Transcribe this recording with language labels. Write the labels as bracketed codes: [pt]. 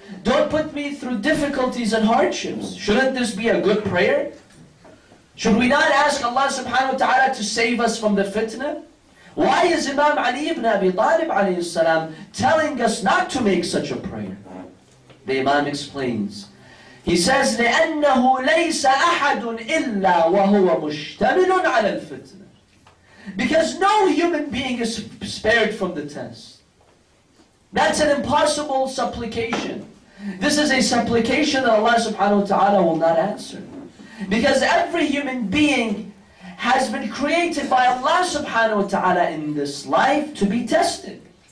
[en] Don't put me through difficulties and hardships. Shouldn't this be a good prayer? Should we not ask Allah subhanahu wa ta'ala to save us from the fitna? Why is Imam Ali ibn Abi Talib alayhi salam telling us not to make such a prayer? The Imam explains. He says, [ar] لَأَنَّهُ لَيْسَ أَحَدٌ إِلَّا وَهُوَ مُشْتَمِلٌ عَلَى الْفِتْنَةِ. [en] Because no human being is spared from the test. That's an impossible supplication. This is a supplication that Allah subhanahu wa ta'ala will not answer. Because every human being has been created by Allah subhanahu wa ta'ala in this life to be tested.